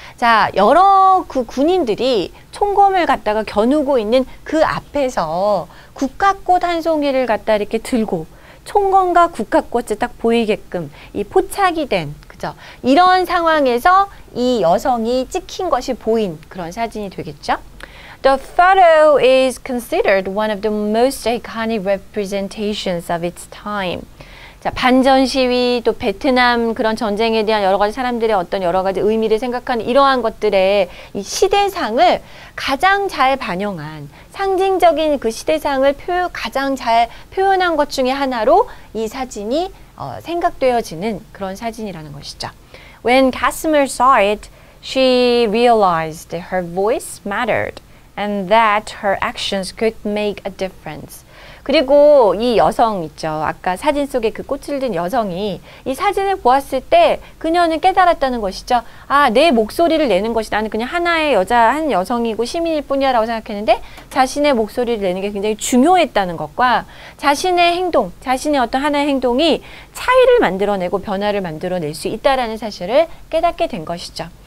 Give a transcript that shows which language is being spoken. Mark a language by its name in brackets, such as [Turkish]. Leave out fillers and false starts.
[Korean] 자, 여러 그 군인들이 총검을 갖다가 겨누고 있는 그 앞에서 국화꽃 한 송이를 갖다 이렇게 들고 총검과 국화꽃을 딱 보이게끔 이 포착이 된 그죠? 이런 상황에서 이 여성이 찍힌 것이 보인 그런 사진이 되겠죠? [English] The photo is considered one of the most iconic representations of its time. [Korean] 자, 반전 시위, 또 베트남 그런 전쟁에 대한 여러 가지 사람들의 어떤 여러 가지 의미를 생각하는 이러한 것들의 이 시대상을 가장 잘 반영한 상징적인 그 시대상을 가장 잘 표현한 것 중에 하나로 이 사진이 생각되어지는 그런 사진이라는 것이죠. [English] When Casimir saw it, she realized her voice mattered. And that her actions could make a difference. [Korean] 그리고 이 여성 있죠. 아까 사진 속에 그 꽃을 든 여성이 이 사진을 보았을 때 그녀는 깨달았다는 것이죠. 아, 내 목소리를 내는 것이 나는 그냥 하나의 여자, 한 여성이고 시민일 뿐이야라고 생각했는데 자신의 목소리를 내는 게 굉장히 중요했다는 것과 자신의 행동, 자신의 어떤 하나의 행동이 차이를 만들어내고 변화를 만들어낼 수 있다라는 사실을 깨닫게 된 것이죠.